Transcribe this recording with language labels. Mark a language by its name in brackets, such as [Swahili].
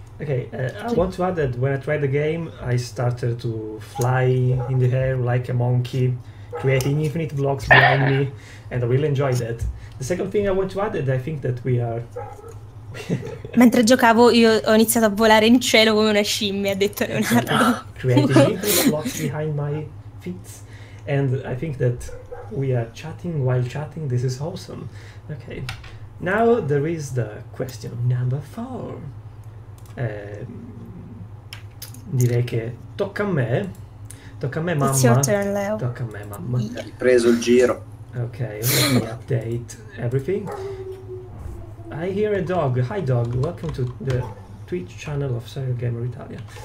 [English] I want to add that when I tried the game, I started to fly in the air like a monkey, creating infinite blocks behind me, and I really enjoyed that. The second thing I want to add is that I think that we are... [Italian] Mentre giocavo, io ho iniziato a volare in cielo come una scimmia, ha detto Leonardo. [English] Creating infinite blocks behind my feet, and I think that we are chatting while chatting, this is awesome. Okay, now there is the question number four. [Italian] Direi che tocca a me mamma. [English] It's your turn, Leo. [Italian] Tocca a me mamma. Hai preso il giro. [English] Ok, let me update everything. I hear a dog. Hi dog, welcome to the Twitch channel of Serial Gamer Italia.